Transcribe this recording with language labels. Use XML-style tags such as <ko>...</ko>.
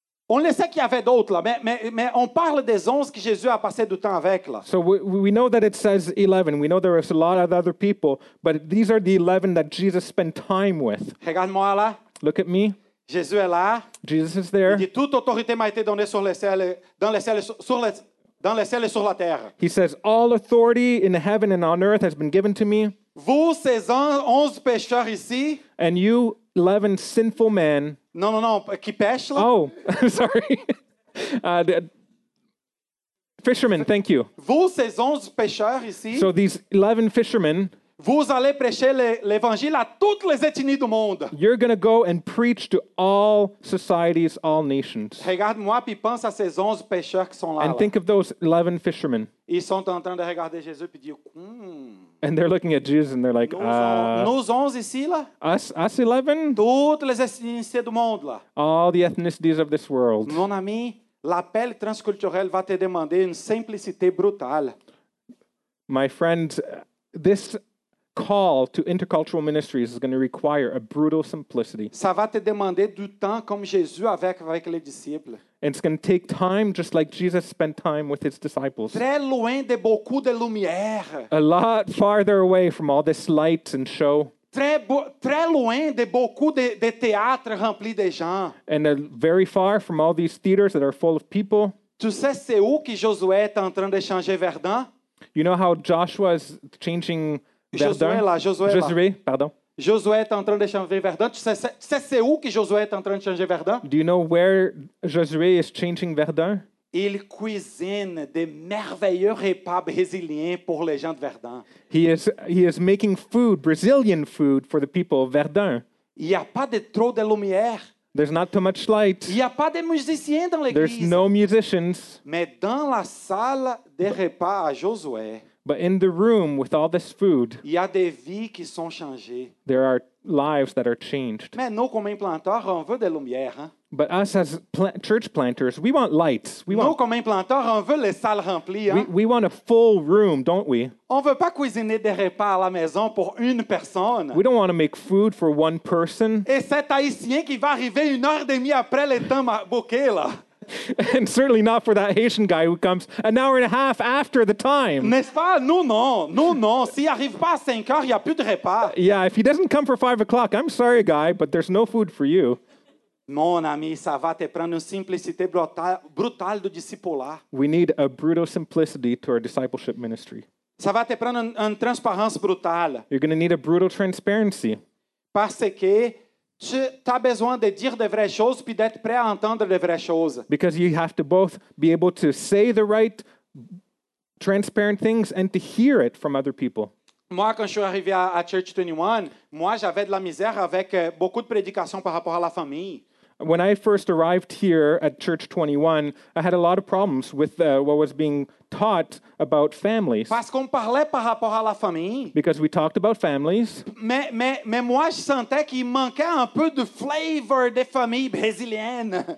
<fr>On le sait qu'il y avait d'autres là, mais on parle des 11 que Jésus a passé du temps avec là.</fr> <en>So we know that it says 11. We know there is a lot of other people, but these are the 11 that Jesus spent time with.</en> <fr>Regarde-moi là.</fr> <en>Look at me.</en> <fr>Jésus est là.</fr> <en>Jesus is there.</en> <fr>Il dit, toute autorité m'a été donnée dans les cieux et sur la terre.</fr> <en>He says, all authority in heaven and on earth has been given to me.</en> <fr>Vous, ces 11 pêcheurs ici.</fr> <en>And you, 11 sinful men.</en> <fr>Non, qui pêche là.</fr> <en>Oh, sorry. Fishermen, thank you.</en> <fr>Vous, ces 11 pêcheurs ici.</fr> <en>So these 11 fishermen.</en> <fr>Vous allez prêcher l'évangile à toutes les ethnies du monde.</fr> <en>You're going to go and preach to all societies, all nations.</en> <fr>Regarde-moi puis pense à ces 11 pêcheurs qui sont là.</fr> <en>And think of those 11 fishermen.</en> <fr>Ils sont en train de regarder Jésus puis dire</fr> <en>And they're looking at Jesus and they're like,</en> <fr>Nous 11 ici là.</fr> <en>Us 11?</en> <fr>Toutes les ethnies du monde là.</fr> <en>All the ethnicities of this world.</en> <fr>Mon ami, l'appel transculturel va te demander une simplicité brutale.</fr> <en>My friend, this call to intercultural ministries is going to require a brutal simplicity.</en> <fr>Ça va te demander du temps comme Jésus avec les disciples.</fr> <en>And it's going to take time just like Jesus spent time with his disciples.</en> <fr>Très loin de beaucoup de lumière.</fr> <en>A lot farther away from all this light and show.</en> <fr>Très loin de beaucoup de théâtres remplis de gens.</fr> <en>And very far from all these theaters that are full of people.</en> <fr>Tu sais c'est où que Josué est en train de changer Verdun?</fr> <en>You know how Joshua is changing</en> <fr>Verdun. Josué est en train de changer Verdun. Tu sais où que Josué est en train de changer Verdun?</fr> <en>Do you know where Josué is changing Verdun?</en> <fr>Il cuisine des merveilleux repas brésiliens pour les gens de Verdun.</fr> <en>He is making food, Brazilian food, for the people of Verdun.</en> <fr>Il y a pas de trop de lumière.</fr> <en>There's not too much light.</en> <fr>Il y a pas de musiciens dans l'église.</fr> <en>There's no musicians.</en> <fr>Mais dans la salle des repas à Josué.</fr> <en>But in the room with all this food,</en> <fr>il y a des vies qui sont changées.</fr> <en>There are lives that are changed.</en> <fr>Mais nous, comme implanteurs, on veut des lumières, hein?</fr> <en>But us as church planters, we want lights.</en> <fr>Comme implanteurs, on veut les salles remplies, hein?</fr> <en>We want a full room, don't we?</en> <fr>On veut pas cuisiner des repas à la maison pour une personne.</fr> <en>We don't want to make food for one person.</en> <fr>Et cet haïtien qui va arriver une heure et demie après le temps bouquet là.</fr> <en>And certainly not for that Haitian guy who comes an hour and a half after the time.</en> <fr>N'est-ce pas? Non. S'il arrive pas à 5 heures, il y a plus de repas.</fr> <en>Yeah, if he doesn't come for 5 o'clock, I'm sorry, guy, but there's no food for you.</en> <fr>Mon ami, ça va te prendre une simplicité brutale de discipular.</fr> <en>We need a brutal simplicity to our discipleship ministry.</en> <fr>Ça va te prendre une transparence brutale.</fr> <en>You're going to need a brutal transparency.</en> <fr>Parce que tu as besoin de dire de vraies choses puis d'être prêt à entendre de vraies choses.</fr> <en>Because you have to both be able to say the right transparent things and to hear it from other people.</en> <fr>Moi, quand je suis arrivé à Church 21, moi, j'avais de la misère avec beaucoup de prédications par rapport à la famille.</fr> <en>When I first arrived here at Church 21, I had a lot of problems with what was being taught about families.</en> <fr>Parce qu'on parlait par rapport à la famille.</fr> <en>Because we talked about families.</en> <fr>Mais moi, je sentais qu'il manquait un peu de flavor des familles brésiliennes.</fr>